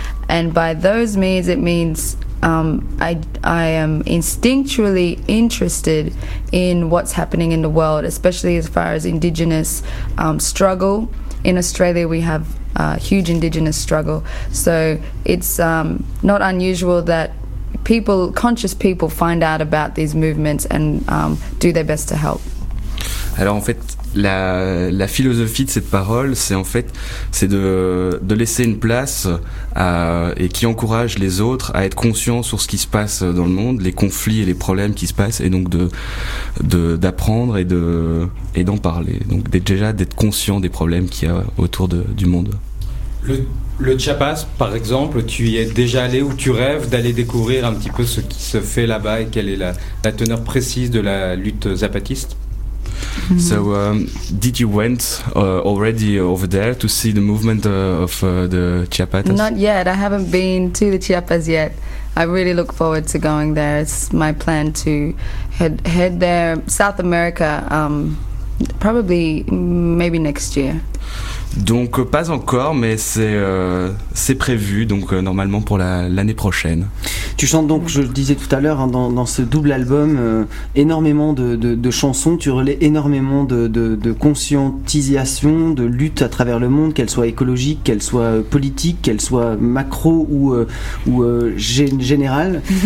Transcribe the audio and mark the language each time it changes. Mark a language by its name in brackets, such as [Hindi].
[English] And by those means, it means I am instinctually interested in what's happening in the world, especially as far as indigenous struggle. In Australia, we have a huge indigenous struggle. So it's not unusual that people, conscious people, find out about these movements and do their best to help. [French] Alors en fait, la philosophie de cette parole, c'est de laisser une place et qui encourage les autres à être conscients sur ce qui se passe dans le monde, les conflits et les problèmes qui se passent, et donc d'apprendre et d'en parler. Donc déjà d'être conscient des problèmes qu'il y a autour du monde. Le Chiapas, par exemple, tu y es déjà allé ou tu rêves d'aller découvrir un petit peu ce qui se fait là-bas et quelle est la teneur précise de la lutte zapatiste? Mm-hmm. [English] So, did you went already over there to see the movement of the Chiapas? Not yet. I haven't been to the Chiapas yet. I really look forward to going there. It's my plan to head there, South America, probably maybe next year. [French] Donc pas encore, mais c'est prévu, donc normalement pour l'année prochaine. Tu chantes donc, je le disais tout à l'heure, hein, dans ce double album, énormément de chansons, tu relais énormément de conscientisation, de lutte à travers le monde, qu'elle soit écologique, qu'elle soit politique, qu'elle soit macro ou générale.